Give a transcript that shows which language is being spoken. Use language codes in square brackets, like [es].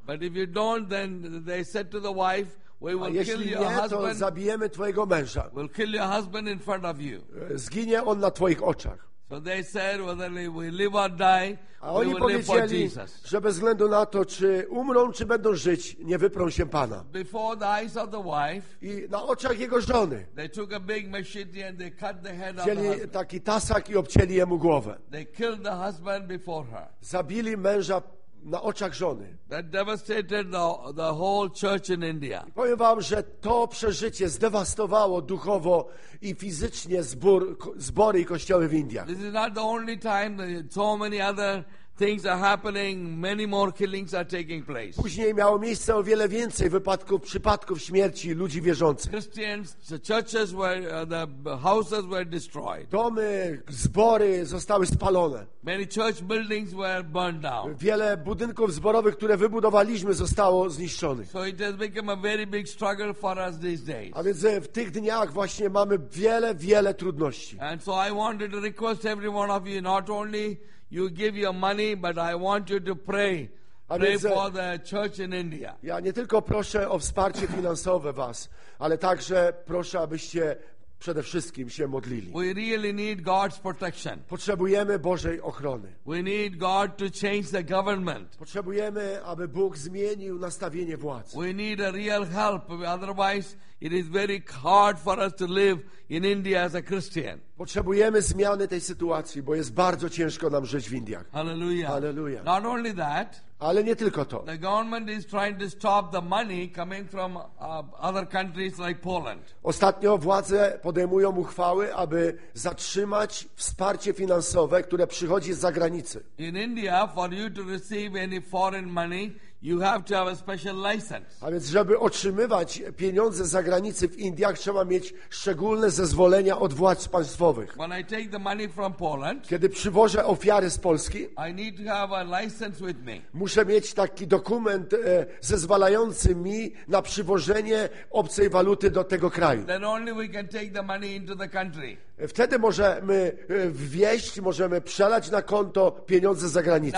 [en] But if you don't, then they said to the wife, we will kill your husband. [pl] A jeśli nie, to zabijemy twojego męża. [en] We'll kill your husband in front of you. [pl] Zginie on na twoich oczach. [en] So they said, whether we live or die, [pl] a oni powiedzieli, że bez względu na to, czy umrą, czy będą żyć, nie wyprą się Pana. [en] Before the eyes of the wife, [pl] i na oczach jego żony wzięli taki tasak i obcięli jemu głowę. [en] They killed the husband before her. [pl] Zabili męża na oczach żony. [en] That devastated the whole church in India. [pl] I powiem wam, że to przeżycie zdewastowało duchowo i fizycznie zbory i kościoły w Indiach. [en] This is not the only time that so many other things are happening, many more killings are taking place. [pl] Później miało miejsce o wiele więcej wypadków, przypadków śmierci ludzi wierzących. [en] Christians, the churches were, the houses were destroyed. [pl] Domy, zbory zostały spalone. [en] Many church buildings were burned down. [pl] Wiele budynków zborowych, które wybudowaliśmy, zostało zniszczonych. [en] So it has become a very big struggle for us these days. [pl] A więc w tych dniach właśnie mamy wiele, wiele trudności. [en] And so I wanted to request every one of you not only you give your money, but I want you to pray for the church in India. [pl] Ja nie tylko proszę o wsparcie finansowe was, ale także proszę, abyście przede wszystkim się modlili. [en] We really need God's protection. [pl] Potrzebujemy Bożej ochrony. [en] We need God to change the government. [pl] Potrzebujemy, aby Bóg zmienił nastawienie władz. [en] We need a real help, otherwise it is very hard for us to live in India as a Christian. [pl] Potrzebujemy zmiany tej sytuacji, bo jest bardzo ciężko nam żyć w Indiach. Hallelujah. Hallelujah. [en] Not only that. [pl] Ale nie tylko to. [en] The government is trying to stop the money coming from other countries like Poland. [pl] Ostatnio władze podejmują uchwały, aby zatrzymać wsparcie finansowe, które przychodzi z zagranicy. [en] In India, for you to receive any foreign money, you have to have a special license. [pl] A więc, żeby otrzymywać pieniądze z zagranicy w Indiach, trzeba mieć szczególne zezwolenia od władz państwowych. [en] When I take the money from Poland, [pl] kiedy przywożę ofiary z Polski, [en] I need to have a license with me. [pl] Muszę mieć taki dokument zezwalający mi na przywożenie obcej waluty do tego kraju. [en] Then only we can take the money into the country. [pl] Wtedy możemy wwieźć, możemy przelać na konto pieniądze z zagranicy.